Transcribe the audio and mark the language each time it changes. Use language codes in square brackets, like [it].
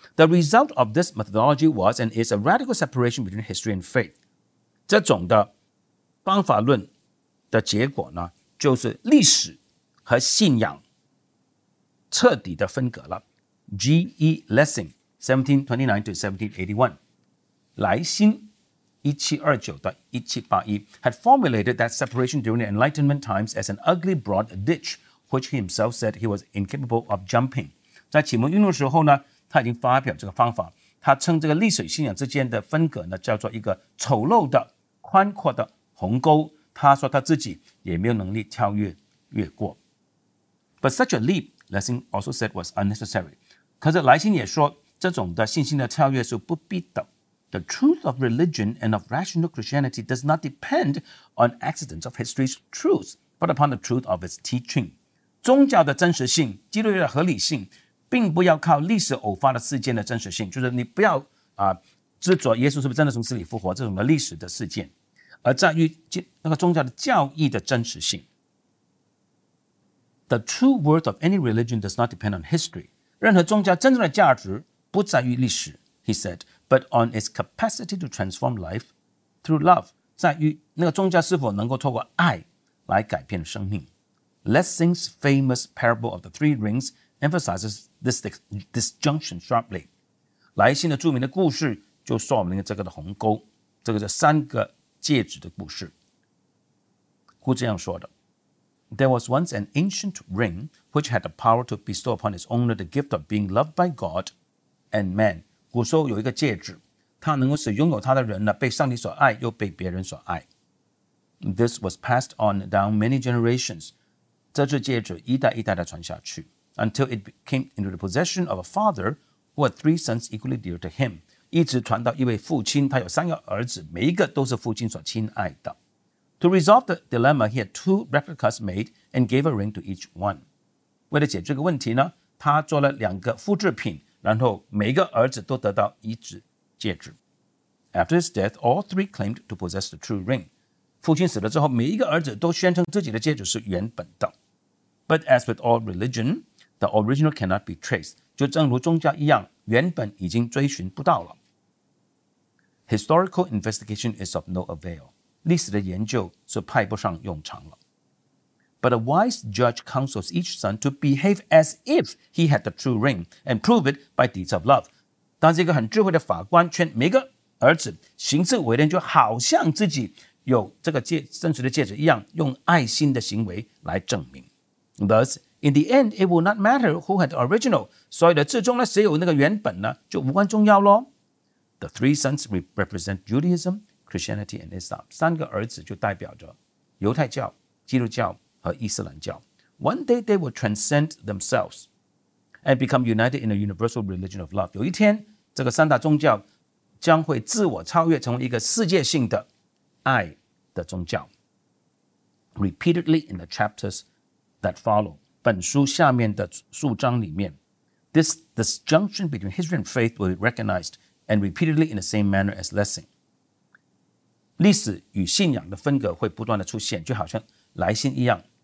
[en] The result of this methodology was and is a radical separation between history and faith. [zh] 这种的方法论的结果呢，就是历史和信仰彻底的分隔了。 [en] G.E. Lessing, 1729-1781, 莱辛1729-1781 had formulated that separation during the Enlightenment times as an ugly broad ditch which he himself said he was incapable of jumping. [zh] 在启蒙运动的时候呢，他已经发表这个方法，他称这个历史信仰之间的分隔呢，叫做一个丑陋的宽阔的鸿沟，他说他自己也没有能力跳跃越过。 [en] But such a leap, Lessing also said was unnecessary. [zh] 可是莱辛也说这种的信心的跳跃是不必的。 [en] The truth of religion and of rational Christianity does not depend on accidents of history's truth, but upon the truth of its teaching. [zh] 宗教的真实性，基督教的合理性，并不要靠历史偶发的事件的真实性，就是你不要执着耶稣是不是真的从死里复活这种的历史的事件，而在于那个宗教的教义的真实性。 [en] The true worth of any religion does not depend on history. [zh] 任何宗教真正的价值不在于历史 , [en] he said, but on its capacity to transform life through love, [zh] 在于那个宗教是否能够透过爱来改变生命。 [en] Lessing's famous parable of the three rings emphasizes this disjunction sharply. [zh] 莱辛的著名的故事就说我们这个的鸿沟，这个是三个戒指的故事。故这样说的。 [en] There was once an ancient ring which had the power to bestow upon its owner the gift of being loved by God and man. [zh] 古时候有一个戒指，它能够使拥有它的人呢被上帝所爱又被别人所爱。 [en] This was passed on down many generations. [zh] 这只戒指一代一代的传下去 [en] ,until it came into the possession of a father who had three sons equally dear to him. [zh] 一直传到一位父亲，他有三个儿子，每一个都是父亲所亲爱的。 [en] To resolve the dilemma, he had two replicas made and gave a ring to each one. [zh] 为了解这个问题呢，他做了两个复制品，然后每个儿子都得到一只戒指。 [en] After his death, all three claimed to possess the true ring. [zh] 父亲死了之后，每一个儿子都宣称自己的戒指是原本的。 [en] But as with all religion, the original cannot be traced. [zh] 就正如宗教一样，原本已经追寻不到了。 [en] Historical investigation is of no avail. [zh] 历史的研究是派不上用场了。 [en] But a wise judge counsels each son to behave as if he had the true ring and prove it by deeds of love. [zh] 但是一个很智慧的法官劝每个儿子行事为人，就好像自己有这个真实的戒指一样，用爱心的行为来证明。 [en] Thus, in the end, it will not matter who had the original. [zh] 所以的最终呢，谁有那个原本呢，就无关重要咯。 [en] The three sons represent Judaism,Christianity and Islam. [zh] 三个儿子就代表着犹太教、基督教和伊斯兰教。 [en] One day they will transcend themselves and become united in a universal religion of love. [zh] 有一天，这个三大宗教将会自我超越，成为一个世界性的爱的宗教。 [en] Repeatedly in the chapters that follow, [zh] 本书下面的数章里面， [en] this disjunction between history and faith will be recognized and repeatedly in the same manner as Lessing. [zh] 历史与信仰的分隔会不断的出现，就好像莱辛一样。